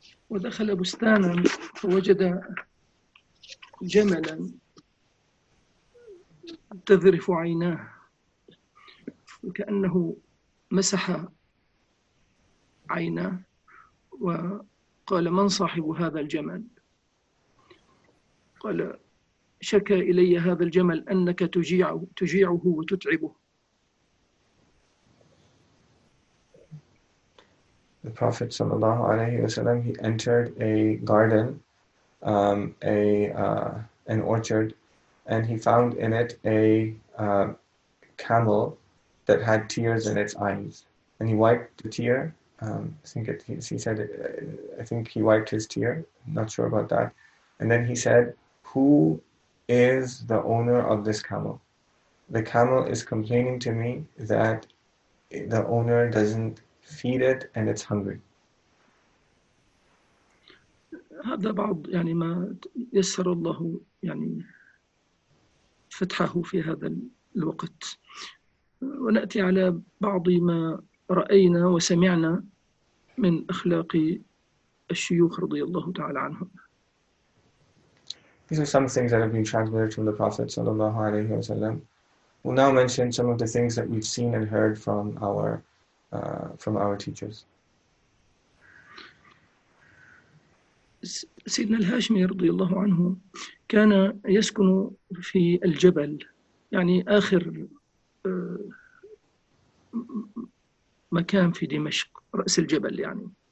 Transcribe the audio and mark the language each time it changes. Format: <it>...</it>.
<ar>ودخل بستانا فوجد جملا تذرف عيناه وكأنه مسح عيناه وقال من صاحب هذا الجمل؟ قال: شكا إلي هذا الجمل أنك تجيعه وتتعبه.</ar> <en>The Prophet sallallahu alaihi wasallam, he entered a garden, an orchard, and he found in it a camel that had tears in its eyes. And he wiped the tear. I think it, he said, I think he wiped his tear. I'm not sure about that. And then he said, "Who is the owner of this camel? The camel is complaining to me that the owner doesn't feed it and it's hungry."</en> <ar>هذا بعض يعني ما يسر الله يعني فتحه في هذا الوقت. ونأتي على بعض ما رأينا وسمعنا من أخلاق الشيوخ رضي الله تعالى عنهم.</ar> <en>These are some things that have been transmitted from the Prophet sallallahu alaihi wasallam. We'll now mention some of the things that we've seen and heard from our teachers.</en> <ar>سيدنا الهاشمي رضي الله عنه كان يسكن في الجبل، يعني آخر مكان في دمشق، رأس الجبل يعني.</ar>